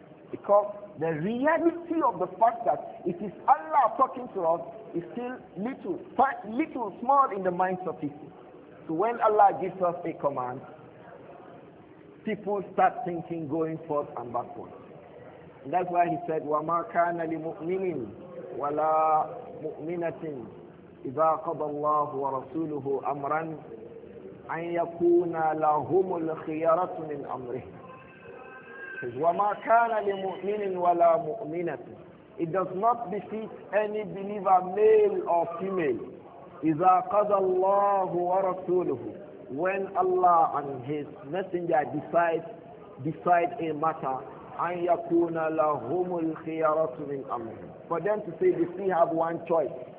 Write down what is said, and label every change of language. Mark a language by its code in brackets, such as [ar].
[en] Because the reality of the fact that it is Allah talking to us is still little, small in the minds of people. So when Allah gives us a command, people start thinking, going forth and backward. And that's why he said, [ar] وَمَا كَانَ لِمُؤْمِنٍ وَلَا مُؤْمِنَةٍ إِذَا قَضَى اللَّهُ وَرَسُولُهُ أَمْرًا أَنْ يَكُونَ لَهُمُ الْخِيَرَةُ مِنْ أَمْرِهِ. وَمَا كَانَ لِمُؤْمِنٍ وَلَا مُؤْمِنَةٍ. [en] It does not befit any believer, male or female, [ar] إِذَا قَضَى اللَّهُ وَرَسُولُهُ, [en] when Allah and His Messenger decide a matter, [ar] أَنْ يَكُونَ لَهُمُ الْخِيَرَةُ مِنْ أَمْرِهِ, [en] for them to say, they still have one choice.